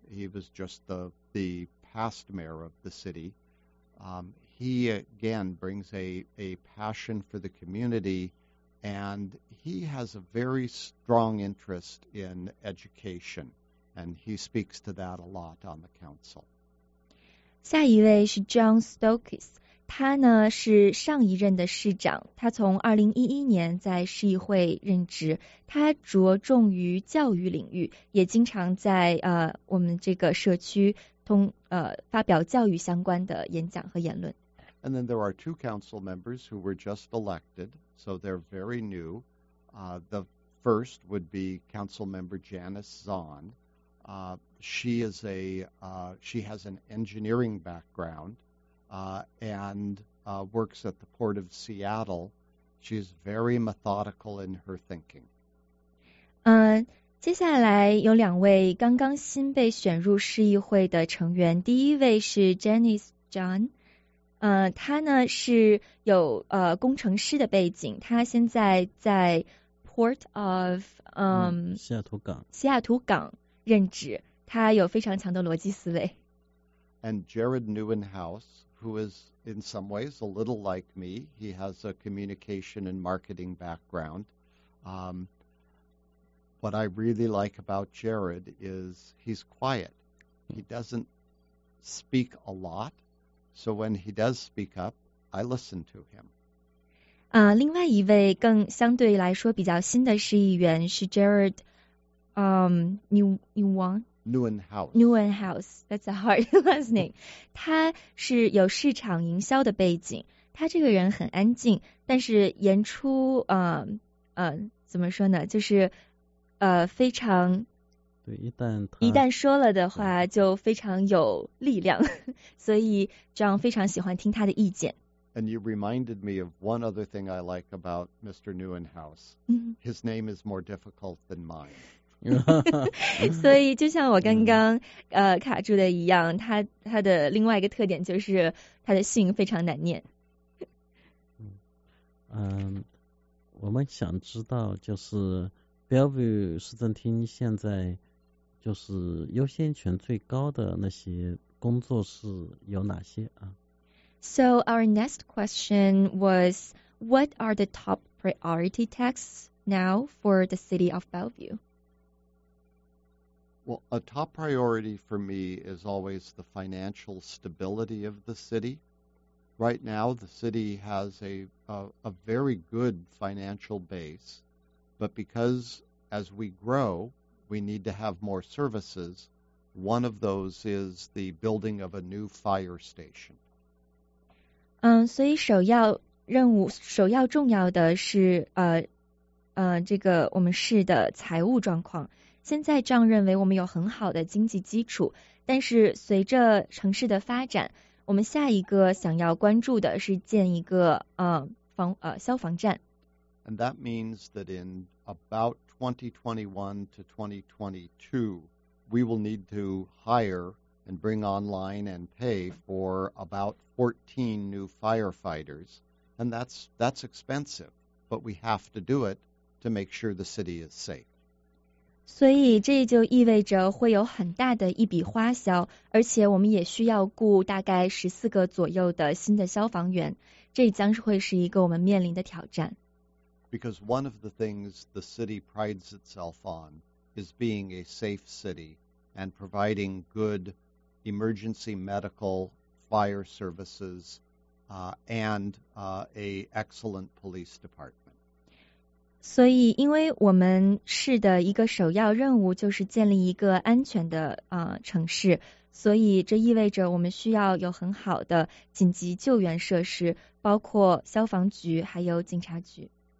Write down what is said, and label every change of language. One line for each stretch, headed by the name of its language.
English: He was just the past mayor of the city. He, again, brings a passion for the community, and he has a very strong interest in education, and he speaks to that a lot on the council.
Chinese: 下一位是 John Stokes. 他呢是上一任的市长，他从2011年在市议会任职，他着重于教育领域，也经常在我们这个社区发表教育相关的演讲和言论。
English: And then there are two council members who were just elected, so they're very new. The first would be council member Janice Zahn. She has an engineering background. And works at the Port of Seattle. She's very methodical in her thinking.
Chinese: 接下来有两位刚刚新被选入市议会的成员。第一位是 Janice John. 她呢是有工程师的背景。她现在在 Port of 西雅图港。西雅图港任职。她有非常强的逻辑思维。
English: And Jared Neuenhaus. Who is in some ways a little like me. He has a communication and marketing background. What I really like about Jared is he's quiet. He doesn't speak a lot. So when he does speak up, I listen to him.
Chinese: 另外一位更相对来说比较新的市议员是 Jared Neuenhaus,
English: that's a hard last name.
Chinese: 他是有市场营销的背景，他这个人很安静，但是言出怎么说呢，就是非常，对，一旦说了的话就非常有力量，所以John非常喜欢听他的意见。
English: And you reminded me of one other thing I like about Mr. Neuenhaus. His name is more difficult than mine.
Chinese: 所以就像我刚刚卡住的一样，他的另外一个特点就是他的姓非常难念。我们想知道就是 Bellevue 市政厅现在就是优先权最高的那些工作是有哪些啊
English: ？So our next question was, what are the top priority tasks now for the city of Bellevue? Well, a top priority for me is always the financial stability of the city. Right now, the city has a very good financial base, but because as we grow, we need to have more services. One of those is the building of a new fire station.
Chinese: 所以首要任务，首要重要的是这个我们市的财务状况。现在这样认为我们有很好的经济基础，但是随着城市的发展，我们下一个想要关注的是建一个消防站。
English: And that means that in about 2021 to 2022, we will need to hire and bring online and pay for about 14 new firefighters. And that's expensive, but we have to do it to make sure the city is safe.
Chinese: 所以这就意味着会有很大的一笔花销，而且我们也需要雇大概14个左右的新的消防员，这将是会是一个我们面临的挑战。
English: Because one of the things the city prides itself on is being a safe city and providing good emergency medical fire services, a excellent police department.
Chinese: 所以因为我们市的一个首要任务就是建立一个安全的城市，所以这意味着我们需要有很好的紧急救援设施，包括消防局还有警察局。